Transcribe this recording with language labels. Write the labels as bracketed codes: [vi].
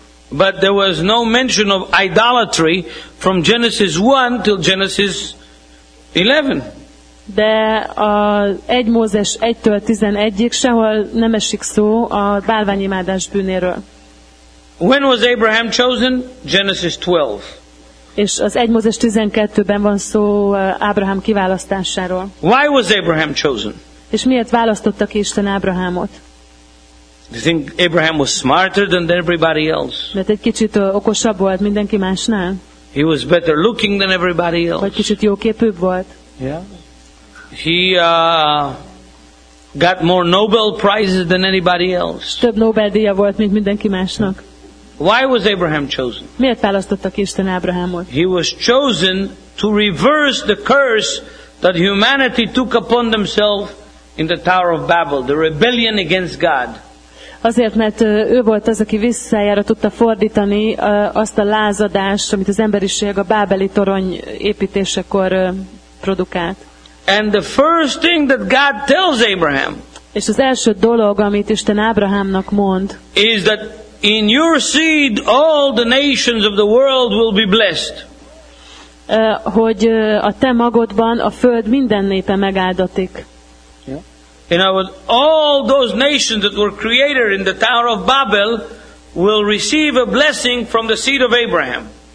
[en] But there was no mention of idolatry from Genesis 1 till Genesis 11. [hu] De a 1 Mózes 1-től 11-ig sehol nem esik szó a bálványimádás bűnéről. [en] When was Abraham chosen? Genesis 12. [hu] És az 1 Mózes 12-ben van szó Ábrahám kiválasztásáról. [en] Why was Abraham chosen? [hu] És miért választotta ki Isten Ábrahámot? [en] Do you think Abraham was smarter than everybody else? [hu] Mert egy kicsit okosabb volt mindenki másnál. [en] He was better looking than everybody else. [hu] Vagy kicsit jóképűbb volt. [en] Yeah. He got more Nobel prizes than anybody else. [hu] Több Nobel-díja volt, mint mindenki másnak. [en] Why was Abraham chosen? [hu] Miért választotta ki Isten Ábrahámot? [en] He was chosen to reverse the curse that humanity took upon themselves in the Tower of Babel, the rebellion against God. [hu] Azért, mert ő volt az, aki visszájára tudta fordítani azt a lázadást, amit az emberiség a bábeli torony építésekor produkált. [en] And the first thing that God tells Abraham, [hu] és az első dolog, amit Isten Ábrahámnak mond, [en] is that in your seed all the nations of the world will be blessed. [hu] Hogy a te magodban a föld minden népe megáldatik. [en] In other words, all those nations that were created in the Tower of Babel will receive a blessing from the seed of Abraham.